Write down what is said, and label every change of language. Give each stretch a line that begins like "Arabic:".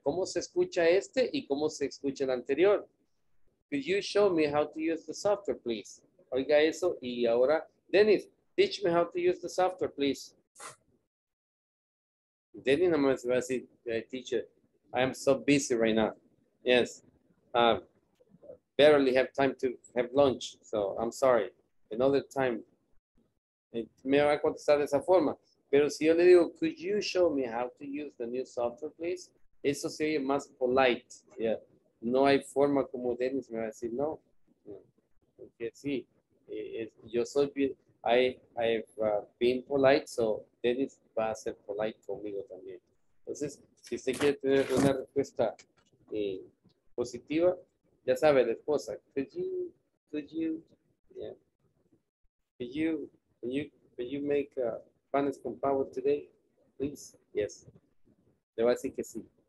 Spanish: ¿Cómo se escucha este y cómo se escucha el anterior?
English: Could you show me how to use the software, please?
Spanish: Oiga eso y ahora,
English: Dennis, teach me how to use the software, please. Dennis,
Spanish: no me va a decir,
English: teacher, I am so busy right now. Yes. Barely have time to have lunch, so I'm sorry. Another time.
Spanish: Me va a contestar de esa forma. Pero si yo le digo,
English: could you show me how to use the new software, please?
Spanish: Eso sería más polite. Yeah. No hay forma como Dennis me va a decir no. Porque sí, yo soy,
English: I have been polite, so
Spanish: Dennis va a ser polite conmigo también. Entonces, si usted quiere tener una respuesta positiva, ya sabe, la esposa,
English: could you make a
Spanish: panes con pavo
English: today, please?
Spanish: Yes. Le voy a decir que sí.